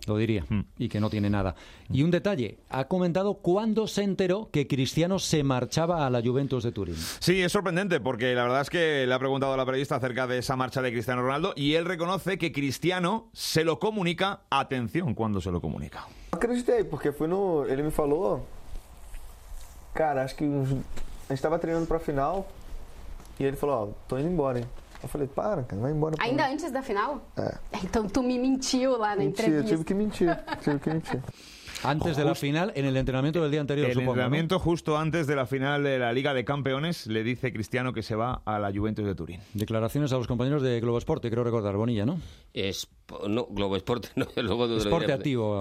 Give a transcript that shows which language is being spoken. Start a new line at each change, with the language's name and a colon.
Spanish: Lo diría, y que no tiene nada. Y un detalle, ha comentado cuándo se enteró que Cristiano se marchaba a la Juventus de Turín. Sí, es sorprendente, porque la verdad es que le ha preguntado a la periodista acerca de esa marcha de Cristiano Ronaldo, y él reconoce que Cristiano se lo comunica, atención, cuando se lo comunica.
Portuguese: Acreditei, porque fui no... Ele me falou... Cara, acho que a gente tava treinando pra final e ele falou, ó, tô indo embora, hein? Eu falei, para, cara, vai embora. Ainda mim. Antes da final? É. Então tu me mentiu lá na entrevista. Eu tive que mentir.
Spanish: Antes de la final, en el entrenamiento del día anterior, supongo. En el entrenamiento, ¿no? Justo antes de la final de la Liga de Campeones, le dice Cristiano que se va a la Juventus de Turín. Declaraciones a los compañeros de Globo Sport, creo recordar, Bonilla, ¿no? No, Globo Sport, no, luego de Sport Activo.